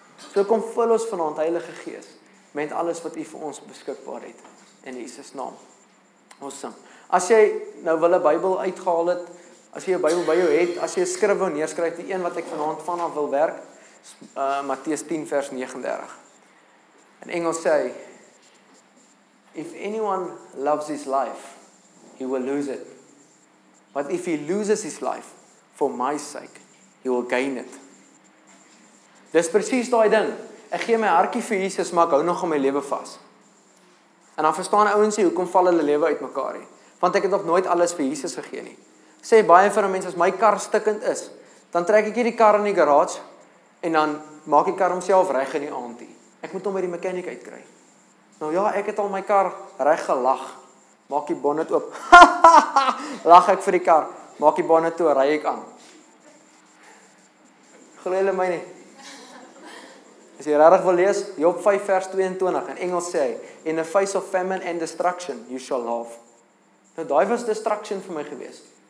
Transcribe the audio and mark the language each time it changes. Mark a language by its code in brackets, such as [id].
[af] So kom vul ons vanaand Heilige Gees met alles wat U vir ons beskikbaar het in Jesus naam. Awesome. As jy nou wil 'n Bybel uitgehaal het, as jy 'n Bybel by jou het, as jy 'n skrif wou neerskryf, die een wat ek vanaand vanaf wil werk, is Matteus 10 vers 39. In Engels sê, [en] if anyone loves his life, he will lose it. But if he loses his life, for my sake, he will gain it. [af] Dis presies daai ding. Ek gee my hartjie vir Jesus, maar ek hou nog aan my lewe vas. En dan verstaan ouens nie hoekom val hulle lewe uitmekaar nie. Want ek het nog nooit alles vir Jesus gegee nie. Sê baie vir mense, as my kar stikkend is, dan trek ek hierdie kar in die garage en dan maak die kar homself reg in die aand. Ek moet hom by die mechanic uitkry. Nou ja, ek het al my kar reg gelag. Maak die bonnet oop. Lag ek vir die kar. Maak die bonnet toe, ry ek aan. Glo hulle my nie. As jy regtig wil lees, Job 5 vers 22 in Engels sê hy, [en] in the face of famine and destruction you shall have. [af] Nou daai was destruction vir my gewees.